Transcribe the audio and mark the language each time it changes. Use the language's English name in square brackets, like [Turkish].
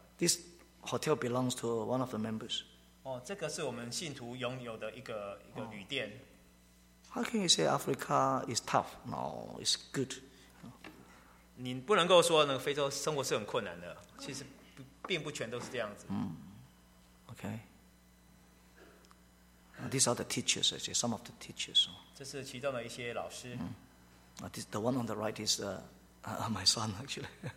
[English] This hotel belongs to one of the members. [Chinese] 这个是我们信徒拥有的一个旅店。 [English] How can you say Africa is tough? No, it's good. [Chinese] 你不能够说那个非洲生活是很困难的，其实并不全都是这样子。 [English] Okay. These are the teachers, actually, some of the teachers. [Chinese] 这是其中的一些老师。 [English] The one on the right is my son, actually.